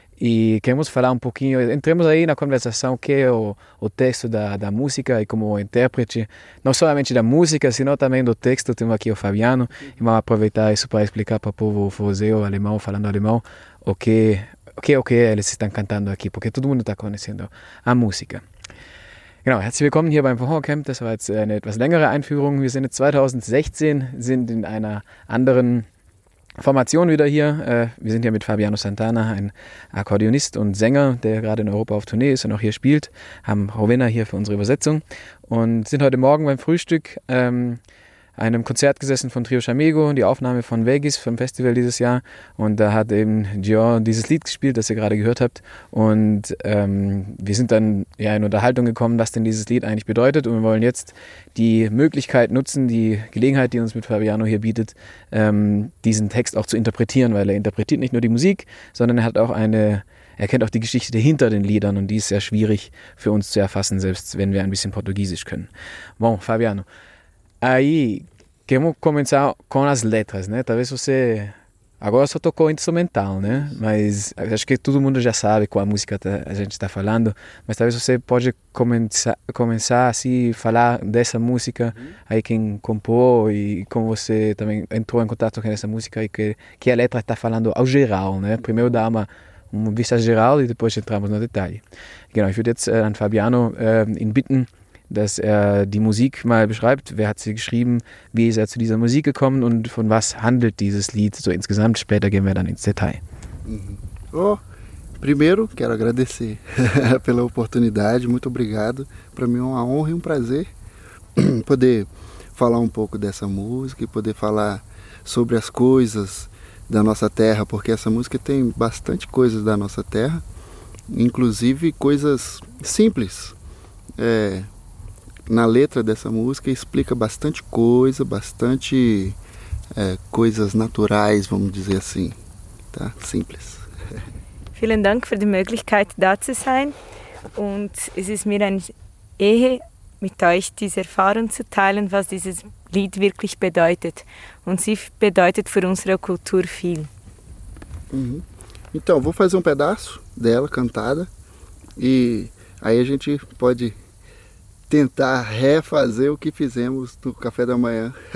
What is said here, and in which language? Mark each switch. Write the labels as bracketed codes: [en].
[pt] E queremos falar um pouquinho, entremos aí na conversação, que é o texto da música e como intérprete, não somente da música, senão também do texto. Temos aqui o Fabiano, e vamos aproveitar isso para explicar para o povo forrozeiro, alemão, falando alemão, o que eles estão cantando aqui, porque todo mundo está conhecendo a música. [de] Genau, herzlich willkommen hier beim Forrocamp. Das war jetzt eine etwas längere Einführung. Wir sind 2016, sind in einer anderen Formation wieder hier. Wir sind hier mit Fabiano Santana, ein Akkordeonist und Sänger, der gerade in Europa auf Tournee ist und auch hier spielt. Haben Rowena hier für unsere Übersetzung und sind heute Morgen beim Frühstück einem Konzert gesessen von Trio Chamego, die Aufnahme von Vegas vom Festival dieses Jahr. Und da hat eben Dior dieses Lied gespielt, das ihr gerade gehört habt. Und wir sind dann ja in Unterhaltung gekommen, was denn dieses Lied eigentlich bedeutet. Und wir wollen jetzt die Möglichkeit nutzen, die Gelegenheit, die uns mit Fabiano hier bietet, diesen Text auch zu interpretieren, weil er interpretiert nicht nur die Musik, sondern er hat auch er kennt auch die Geschichte hinter den Liedern, und die ist sehr schwierig für uns zu erfassen, selbst wenn wir ein bisschen Portugiesisch können. [pt] Bom, Fabiano. Aí, queremos começar com as letras, né? Talvez você... Agora só tocou instrumental, né? Mas acho que todo mundo já sabe qual a música a gente está falando. Mas talvez você pode começar assim, falar dessa música, aí quem compôs e como você também entrou em contato com essa música e que a letra está falando ao geral, né? Primeiro dá uma vista geral e depois entramos no detalhe. [de] Genau, ich würde jetzt an Fabiano ihn bitten, dass er die Musik mal beschreibt. Wer hat sie geschrieben? Wie ist er zu dieser Musik gekommen? Und von was handelt dieses Lied so insgesamt? Später gehen wir dann ins Detail. [pt] Oh, primeiro quero agradecer pela oportunidade. Muito obrigado. Para mim é uma honra e um prazer poder falar um pouco dessa música e poder falar sobre as coisas da nossa terra, porque essa música tem bastante coisas da nossa terra, inclusive coisas simples. Na letra dessa música explica bastante coisa, bastante coisas naturais, vamos dizer assim, tá? Simples. [de] Vielen Dank für die Möglichkeit, da zu sein. Und es ist mir eine Ehre, mit euch diese Erfahrung zu teilen, was dieses Lied wirklich bedeutet. Und sie bedeutet für unsere Kultur viel. [pt] Então, vou fazer pedaço dela cantada e aí a gente pode tentar refazer o que fizemos no café da manhã.